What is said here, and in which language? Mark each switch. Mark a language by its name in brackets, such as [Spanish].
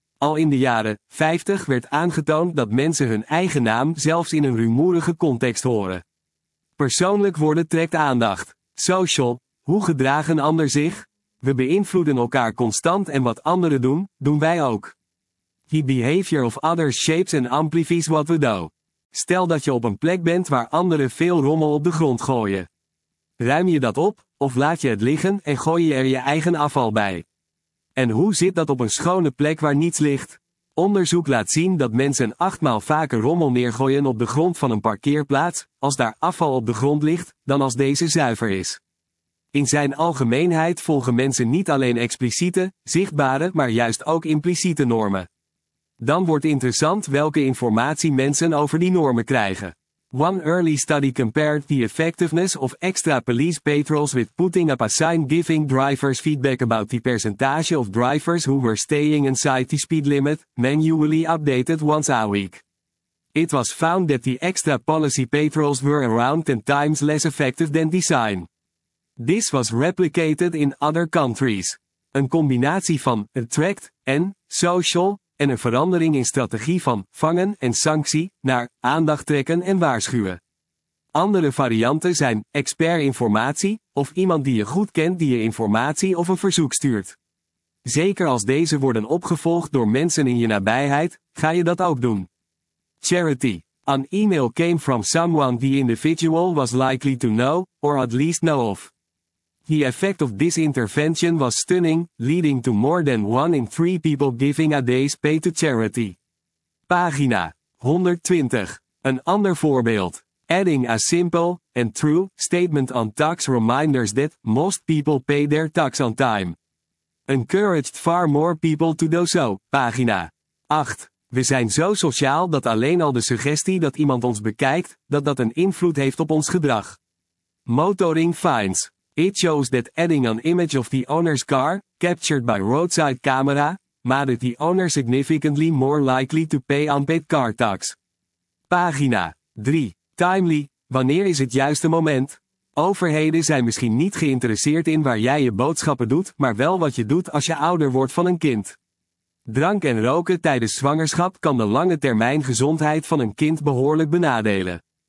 [Dutch] Al in de jaren 50 werd aangetoond dat mensen hun eigen naam zelfs in een rumoerige context horen. Persoonlijk worden trekt aandacht. Social, hoe gedraagt een ander zich? We beïnvloeden elkaar constant en wat anderen doen, doen wij ook. [English] The behavior of others shapes and amplifies what we do. [Dutch] Stel dat je op een plek bent waar anderen veel rommel op de grond gooien. Ruim je dat op, of laat je het liggen en gooi je er je eigen afval bij? En hoe zit dat op een schone plek waar niets ligt? Onderzoek laat zien dat mensen 8 maal vaker rommel neergooien op de grond van een parkeerplaats, als daar afval op de grond ligt, dan als deze zuiver is. In zijn algemeenheid volgen mensen niet alleen expliciete, zichtbare, maar juist ook impliciete normen. Dan wordt interessant welke informatie mensen over die normen krijgen. [English] One early study compared the effectiveness of extra police patrols with putting up a sign giving drivers feedback about the percentage of drivers who were staying inside the speed limit, manually updated once a week. It was found that the extra policy patrols were around 10 times less effective than the sign. This was replicated in other countries. [Dutch] Een combinatie van attract en social en een verandering in strategie van vangen en sanctie naar aandacht trekken en waarschuwen. Andere varianten zijn expert informatie of iemand die je goed kent die je informatie of een verzoek stuurt. Zeker als deze worden opgevolgd door mensen in je nabijheid, ga je dat ook doen. [English] Charity. An email came from someone the individual was likely to know, or at least know of. The effect of this intervention was stunning, leading to more than 1 in 3 people giving a day's pay to charity. [Dutch] Pagina 120. Een ander voorbeeld. [English] Adding a simple and true statement on tax reminders that most people pay their tax on time. Encouraged far more people to do so. [Dutch] Pagina 8. We zijn zo sociaal dat alleen al de suggestie dat iemand ons bekijkt, dat een invloed heeft op ons gedrag. [English] Motoring finds. It shows that adding an image of the owner's car, captured by roadside camera, made the owner significantly more likely to pay unpaid car tax. [Dutch] Pagina 3. [English] Timely. [Dutch] Wanneer is het juiste moment? Overheden zijn misschien niet geïnteresseerd in waar jij je boodschappen doet, maar wel wat je doet als je ouder wordt van een kind. Drank en roken tijdens zwangerschap kan de lange termijn gezondheid van een kind behoorlijk benadelen.